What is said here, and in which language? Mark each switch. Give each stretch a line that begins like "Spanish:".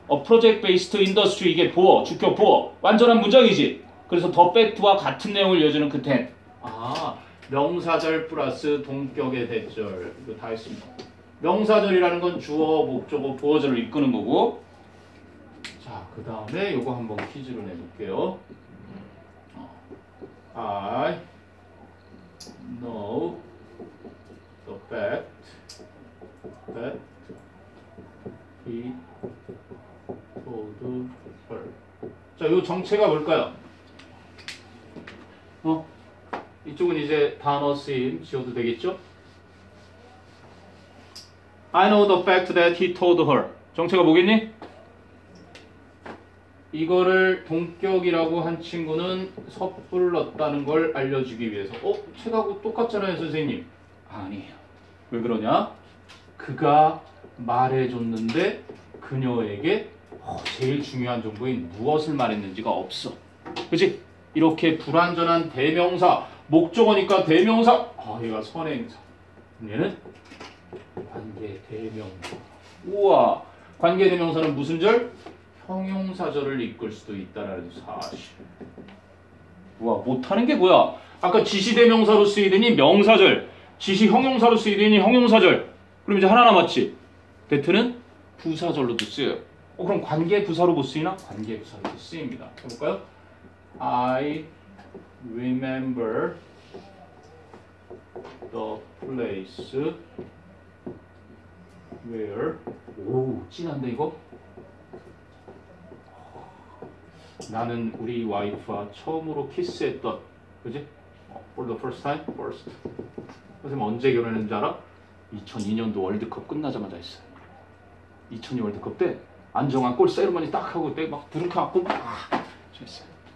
English: A project based industry
Korean: 이게 보어. 주격 보어. 완전한 문장이지. 그래서 the fact와 같은 내용을 이어주는 그 that. 아, 명사절 플러스 동격의 대절. 이거 다 했습니다. 명사절이라는 건 주어, 목적어, 보어절을 이끄는 거고. 자, 그 다음에 이거 한번 퀴즈를 내볼게요.
English: I know the fact that he told her.
Korean: 자, 이 정체가 뭘까요? 어? 이쪽은 이제 단어 쓰임 지어도 되겠죠?
English: I know the fact that he told her.
Korean: 정체가 뭐겠니? 이거를 동격이라고 한 친구는 섣불렀다는 걸 알려주기 위해서. 어? 책하고 똑같잖아요, 선생님. 아니에요. 왜 그러냐? 그가 말해줬는데 그녀에게 제일 중요한 정보인 무엇을 말했는지가 없어. 그치? 이렇게 불완전한 대명사, 목적어니까 대명사. 아, 얘가 선행사. 얘는 관계대명사. 우와, 관계대명사는 무슨 절? 형용사절을 이끌 수도 있다라는 사실. 우와, 못하는 게 뭐야? 아까 지시대명사로 쓰이더니 명사절, 지시형용사로 쓰이더니 형용사절. 그럼 이제 하나 남았지? that는 부사절로도 쓰여요. 어, 그럼 관계부사로도 쓰이나? 관계부사로도 쓰입니다. 해볼까요?
English: I remember the place where.
Korean: 오, 진한데 이거? 나는 우리 와이프와 처음으로 키스했던, 그지?
English: For the first time? First.
Korean: 선생님 언제 결혼했는지 알아? 2002년도 월드컵 끝나자마자 했어요. 2002 월드컵 때 안정환 골 세르머니 딱 하고 때 막 드루크 맞고 막 했어요.